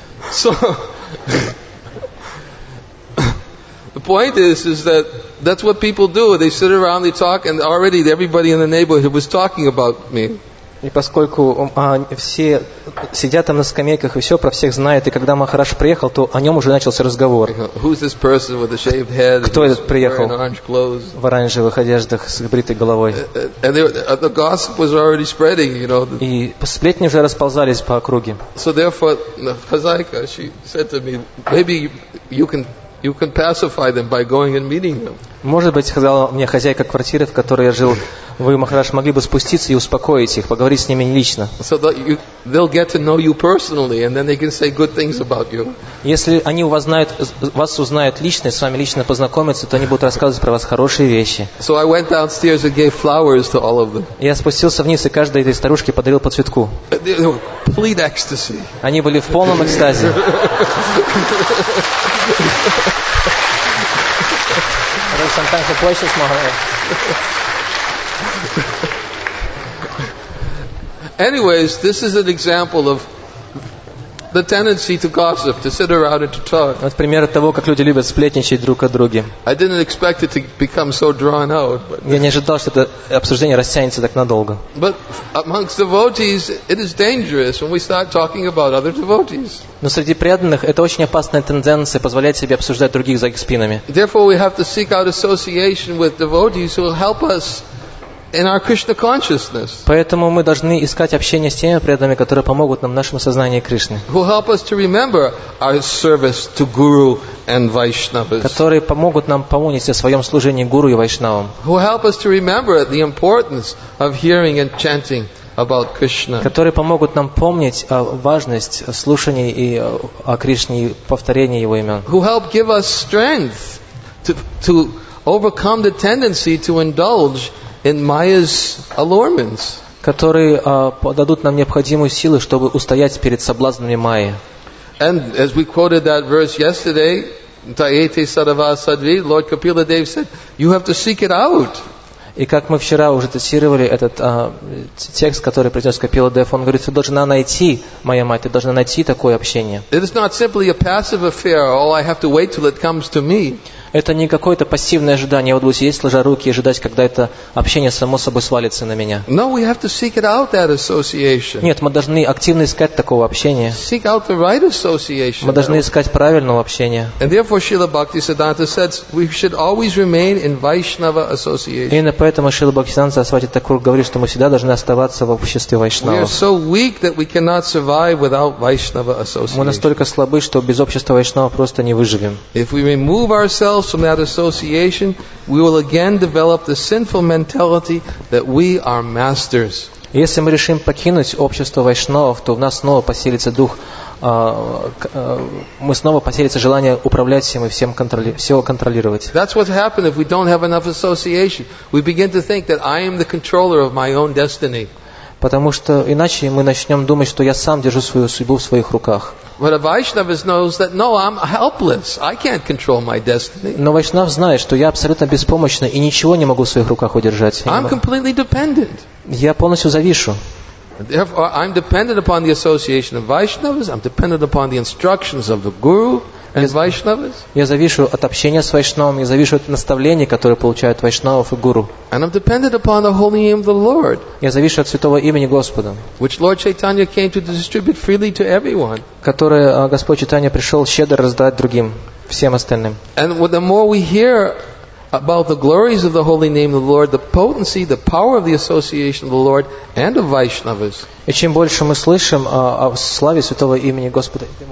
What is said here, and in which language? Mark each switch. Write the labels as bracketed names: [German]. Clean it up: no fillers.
[English] So the point is that that's what people do. They sit around, they talk, and already everybody in the neighborhood was talking about me. [Russian] И поскольку все сидят там на скамейках и все про всех знают, и когда Махарадж приехал, то о нем уже начался разговор. [English] Who's this person with a shaved head? [Russian] Кто этот приехал в оранжевых одеждах с бритой головой? [English] And the gossip was already spreading, you know. [Russian] И сплетни уже расползались по округе. [English] So therefore, the хозяйка, she said to me, maybe you can pacify them by going and meeting them. [Russian] Может быть, сказала мне хозяйка квартиры, в которой я жил, вы, Махарадж, могли бы спуститься и успокоить их, поговорить с ними лично. [English] So they'll get to know you personally, and then they can say good things about you. [Russian] Если они вас узнают лично, с вами лично познакомятся, то они будут рассказывать про вас хорошие вещи. [English] So I went downstairs and gave flowers to all of them. [Russian] Я спустился вниз и каждой этой старушке подарил по цветку. [English] They were complete ecstasy. [Russian] Они были в полном экстазе. [English] Sometimes the place is more. Anyways, this is an example of the tendency to gossip, to sit around and to talk. [Russian] Вот пример того, как люди любят сплетничать друг о друге. [English] I didn't expect it to become so drawn out. [Russian] Я не ожидал, что это обсуждение растянется так надолго. [English] But amongst devotees, it is dangerous when we start talking about other devotees. [Russian] Но среди преданных это очень опасная тенденция позволять себе обсуждать других за их спинами. [English] Therefore, we have to seek out association with devotees who will help us in our Krishna consciousness. [Russian] Поэтому мы должны искать общение с теми преданными, которые помогут нам в нашем сознании Кришны. [English] Who help us to remember our service to Guru and Vaishnavas. [Russian] Которые помогут нам помнить о своем служении Гуру и Вайшнавам. [English] Who help us to remember the importance of hearing and chanting about Krishna. [Russian] Которые помогут нам помнить о важность слушания и о Кришне, повторения его имен. [English] Who help give us strength to overcome the tendency to indulge in Maya's allurements. [Russian] Которые дадут нам необходимую силу, чтобы устоять перед соблазнами Майи. [English] And as we quoted that verse yesterday, Tayete Sarava Sadvi, Lord Kapila Dev said, you have to seek it out. [Russian] И как мы вчера уже цитировали этот текст, который произнес Капила Дев, он говорит, ты должна найти, моя мать, ты должна найти такое общение. [English] It is not simply a passive affair, all I have to wait till it comes to me. [Russian] Это не какое-то пассивное ожидание. Я вот буду сидеть, сложа руки и ожидать, когда это общение само собой свалится на меня. [English] No, we have to seek it out, that association. [Russian] Нет, мы должны активно искать такого общения. [English] Seek out the right association. [Russian] Мы должны искать правильного общения. [English] And therefore, Srila Bhaktisiddhanta says, we should always remain in Vaishnava association. [Russian] Именно поэтому Шрила Бхактисиддханта Сарасвати Такур говорит, что мы всегда должны оставаться в обществе вайшнавов. [English] We are so weak that we cannot survive without Vaishnava association. [Russian] Мы настолько слабы, что без общества вайшнава просто не выживем. [English] If we remove ourselves from that association, we will again develop the sinful mentality that we are masters. [Russian] Если мы решим покинуть общество вайшнавов, то в нас снова поселится дух, мы снова поселится желание управлять всем и всем всего контролировать. [English] That's what happens if we don't have enough association. We begin to think that I am the controller of my own destiny. [Russian] Потому что иначе мы начнем думать, что я сам держу свою судьбу в своих руках. [English] But a Vaishnava knows that no, I'm helpless. I can't control my destiny. [Russian] Но Вайшнав знает, что я абсолютно беспомощный и ничего не могу в своих руках удержать. [English] I'm completely dependent. [Russian] Я полностью завишу. [English] Therefore, I'm dependent upon the association of Vaishnavas. I'm dependent upon the instructions of the Guru and Vaishnavas. [Russian] Я завишу от общения с Вайшнавами, я завишу от наставлений, которые получают Вайшнавов и Гуру. [English] And I'm dependent upon the holy name of the Lord. [Russian] Я завишу от святого имени Господа. [English] Which Lord Chaitanya came to distribute freely to everyone. [Russian] Которое Господь Чайтанья пришел щедро раздать другим, всем остальным. [English] And the more we hear about the glories of the holy name of the Lord, the potency, the power of the association of the Lord and of Vaishnavas. [Russian] И чем больше мы слышим о славе святого имени Господа,